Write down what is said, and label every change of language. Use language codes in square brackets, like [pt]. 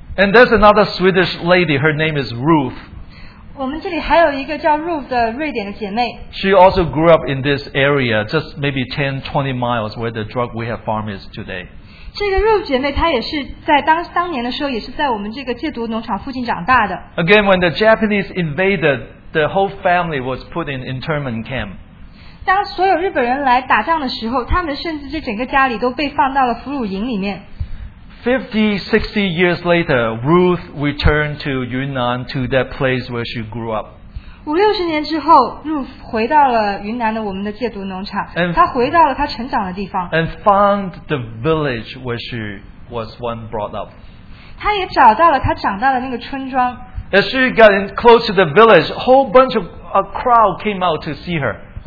[en] And there's another Swedish lady, her name is Ruth. [zh] 我们这里还有一个叫 Ruth的瑞典的姐妹。 [en] She also grew up in this area, just maybe 10, 20 miles where the drug rehab farm is today. [zh] 这个Ruth姐妹她也是在当年的时候也是在我们这个戒毒农场附近长大的。 [en] Again, when the Japanese invaded, the whole family was put in internment camp. [zh] 当所有日本人来打仗的时候，他们甚至这整个家里都被放到了俘虏营里面。 [en] 50, 60 years later, Ruth returned to Yunnan, to that place where she grew up. [zh] 50-60年之后, Ruth回到了云南的我们的戒毒农场, [en] and, [zh] 她回到了她成长的地方, [en] and found the village where she was once brought up. [zh] 她也找到了她长大的那个村庄。 [en] As she got in close to the village, a whole bunch of a crowd came out to see her.